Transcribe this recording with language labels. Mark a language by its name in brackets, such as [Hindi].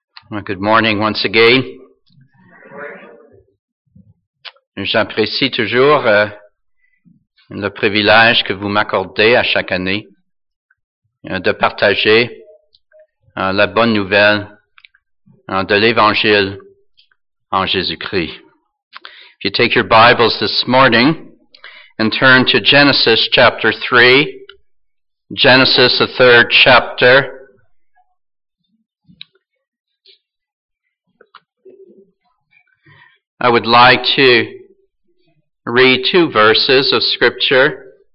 [English] Well, good morning once again. [French] J'apprécie toujours le privilège que vous m'accordez à chaque année de partager la bonne nouvelle de l'Évangile en Jésus-Christ. [English] If you take your Bibles this morning and turn to Genesis chapter 3, Genesis the third chapter. I would like to read two verses of Scripture.